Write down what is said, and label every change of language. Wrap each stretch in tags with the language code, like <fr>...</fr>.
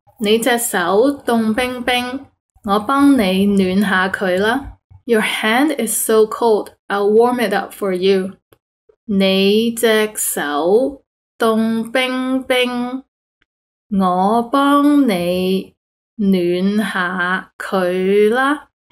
<yue>你隻手冻冰冰，我帮你暖下佢啦。</yue> <en>Your hand is so cold, I'll warm it up for you.</en> <yue>你隻手冻冰冰，我帮你暖下佢啦。</yue>